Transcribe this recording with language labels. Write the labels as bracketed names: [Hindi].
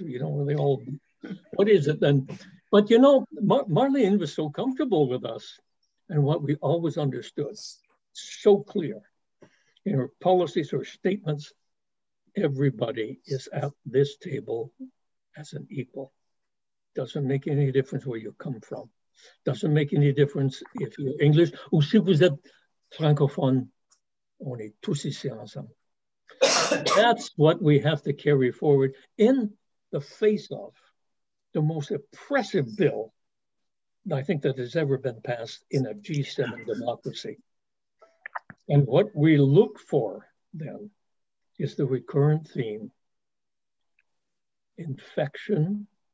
[English] You know, are they all, what is it then? But you know, Marlene was so comfortable with us and what we always understood, so clear in her policies, her statements. Everybody is at this table as an equal. Doesn't make any difference where you come from. Doesn't make any difference if you're English. [French] Ou si vous êtes francophone, on est tous ici ensemble. [English] That's what we have to carry forward in the face of the most oppressive bill I think that has ever been passed in a G7 democracy. And what we look for then is the recurrent theme, infection.